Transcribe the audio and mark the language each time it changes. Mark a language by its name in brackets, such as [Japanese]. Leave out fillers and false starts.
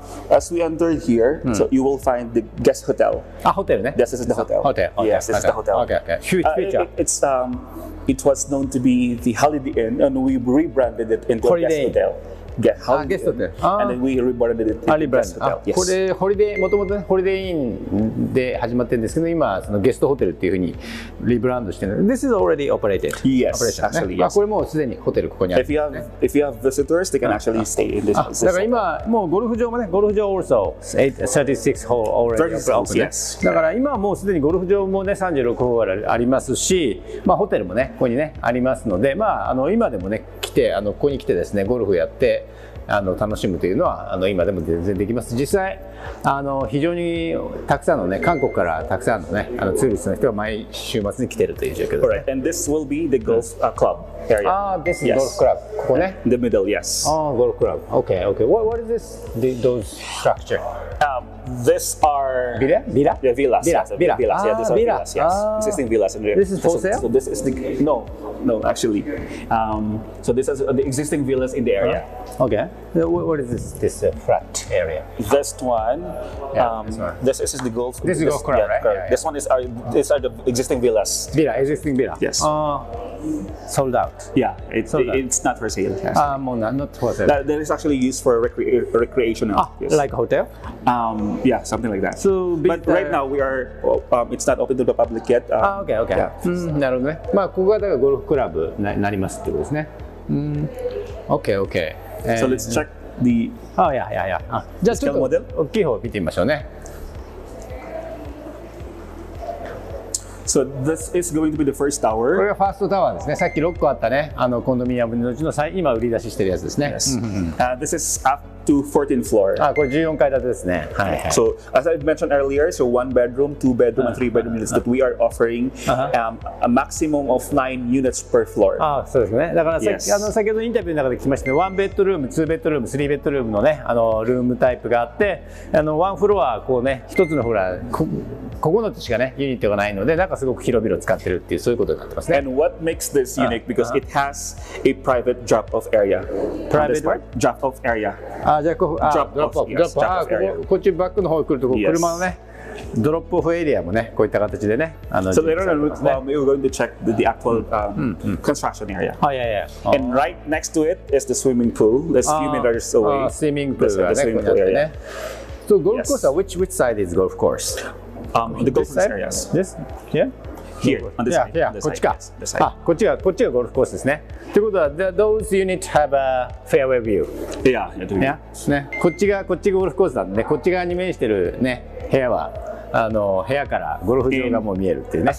[English] As we enter here, so you will find the guest hotel. Ah, hotel, ne? This is the hotel. Hotel. Okay. Yes, this is the hotel. Okay. Huge feature. It was known to be the Holiday Inn, and we rebranded it into Holiday. A guest hotel. [Japanese] これホリデー、もともとホリデーインで始まってるんですけど、今そのゲストホテルっていうふうにリブランドしてる。 [English] This is already operated. Yes, actually, yes. [Japanese] これもうすでにホテル、ここにある。 [English] If you have visitors, they can actually stay in this hotel. [Japanese] だから今、もうゴルフ場もね、ゴルフ場 [English] also 36 hole already opened. Yes. [Japanese] だから今もうすでにゴルフ場もね、36 hole ありますし、まあホテルもね、ここにね、ありますので、まあ今でもね、来て、ここに来てですね、ゴルフやって、楽しむというのは今でも全然できます。実際非常にたくさんのね、韓国からたくさんのね、ツーリストの人が毎週末に来ているという状況です、ね。 [English] Right. And this will be the golf club area. Ah, this is、yes. golf club. [Japanese] ここね。 [English] The middle, yes. Ah, golf club. Okay, okay. What is this? Those structure? These are villa? Yeah, villas. Villas. Yeah, these are villas. Yes, existing villas. This is for sale. So this is the no, actually. So this is the existing villas in the area. Okay. So what is this flat area? This one. Yeah, this is the golf. This is golf club, right? Yeah, this one is these are the existing villas. Existing villa. Yes. Sold out. Yeah, it's not for sale. Ah, not for sale. That is actually used for recreational. Ah, yes. Like a hotel. Yeah, something like that. So, but right now we are, it's not open to the public yet. Okay. Yeah. [Japanese] なるほどね。まあここがだからゴルフクラブになりますってことですね。 [English] Okay. So let's check the. Oh yeah. Just the model. [Japanese] 大きい方を見てみましょうね。 [English] So this is going to be the first tower. [Japanese] これがファーストタワーですね。さっき6個あったね、コンドミニアムのうちの今売り出ししてるやつですね。 [English] Yes. this is up to 14th floor. [Japanese] あ、これ14階建てですね。はい。 [English] So as I mentioned earlier, so one bedroom, two bedroom, and three bedroom units that we are offering a maximum of 9 units per floor. [Japanese] あ、そうですね。だからさっき、先ほどインタビューの中で聞きましたね。ワンベッドルーム、ツーベッドルーム、スリーベッドルームのね、ルームタイプがあって、ワンフロアこうね、一つのフロア。 9つしかね、ユニットがないので、なんかすごく広々使ってるっていう、そういうことになってますね。 [English] And what makes this unique? Because it has a private drop-off area. Private part? Drop-off area. Drop-off area. [Japanese] こっちバックの方に来ると、車のね、ドロップオフエリアもね、こういった形でね。 [English] So later on, we're going to check the actual construction area. Oh, yeah, yeah. And right next to it is the swimming pool. That's a few meters away. [Japanese] Swimming pool がね、こうやってね。 [English] So golf course は、which side is golf course? The golf course area. This? Yeah? Here, on this side. [Japanese] Yeah, こっちか。こっちがゴルフコースですね。ということは、 [English] those units have a fairway view. Yeah. [Japanese] ね、こっちがゴルフコースなんで、こっち側に面してるね、部屋は。部屋からゴルフ場がもう見えるっていうね。